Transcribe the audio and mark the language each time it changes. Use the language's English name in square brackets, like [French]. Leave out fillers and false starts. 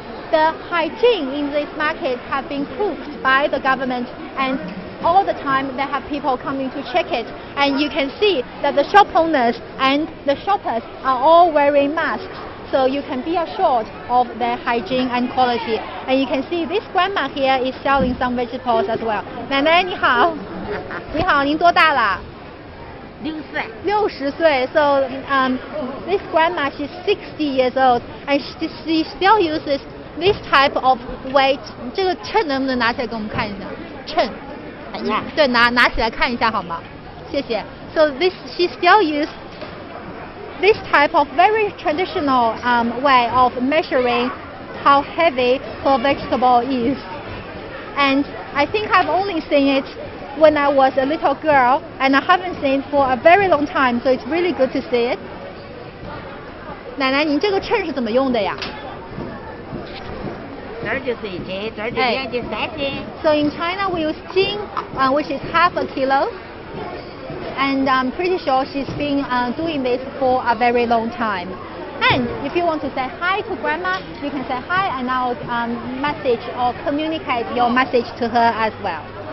[English] The hygiene in this market have been proved by the government, and all the time they have people coming to check it. And you can see that the shop owners and the shoppers are all wearing masks, so you can be assured of their hygiene and quality. And you can see this grandma here is selling some vegetables as well. [Chinese] 奶奶你好，你好，您多大了？六十岁。六十岁。 [English] So this grandma, she's 60 years old, and she still uses this type of weight. [Chinese] 这个秤能不能拿起来给我们看一下？秤。哎呀。对，拿起来看一下好吗？谢谢。 [English] So this she still uses. This type of very traditional way of measuring how heavy her vegetable is. And I think I've only seen it when I was a little girl, and I haven't seen it for a very long time, so it's really good to see it. [Chinese] 奶奶您这个秤是怎么用的呀？这就是一斤，这就是两斤，三斤。 [English] So in China we use 斤, which is half a kilo. And I'm pretty sure she's been doing this for a very long time. And if you want to say hi to grandma, you can say hi and I'll message or communicate your message to her as well.